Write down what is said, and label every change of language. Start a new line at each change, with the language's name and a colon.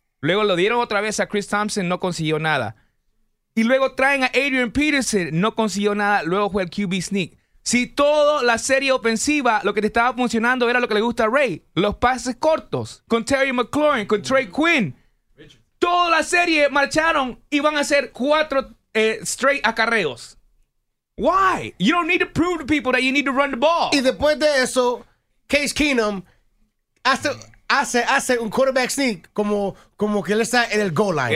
Spanish: Luego lo dieron otra vez a Chris Thompson, no consiguió nada. Y luego traen a Adrian Peterson, no consiguió nada. Luego fue el QB sneak. Si toda la serie ofensiva, lo que te estaba funcionando era lo que le gusta a Ray. Los pases cortos con Terry McLaurin, con Trey Quinn. Toda la serie marcharon y van a hacer 4 straight acarreos.
English: Why? You don't need to prove to people that you need to run the ball.
Spanish: Y después de eso, Case Keenum... Hace un quarterback sneak como que él está en el goal line.